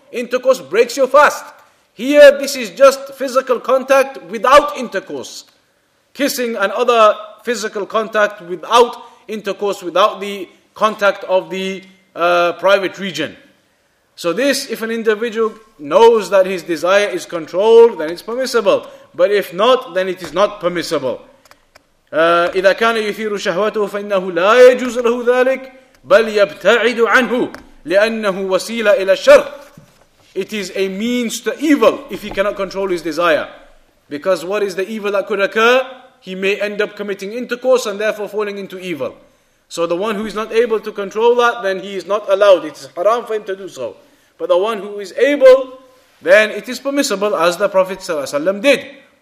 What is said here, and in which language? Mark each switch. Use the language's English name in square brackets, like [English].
[English] Intercourse breaks your fast. Here, this is just physical contact without intercourse. Kissing and other physical contact without intercourse, without the contact of the private region. So this, if an individual knows that his desire is controlled, then it's permissible. But if not, then it is not permissible. [Arabic] إذا كان يثير شهوته فإنه لا يجوز له ذلك بل يبتعد عنه لأنه وسيلة إلى الشر. [English] It is a means to evil if he cannot control his desire. Because what is the evil that could occur? He may end up committing intercourse and therefore falling into evil. So the one who is not able to control that, then he is not allowed. It is haram for him to do so. But the one who is able, then it is permissible as the Prophet ﷺ did.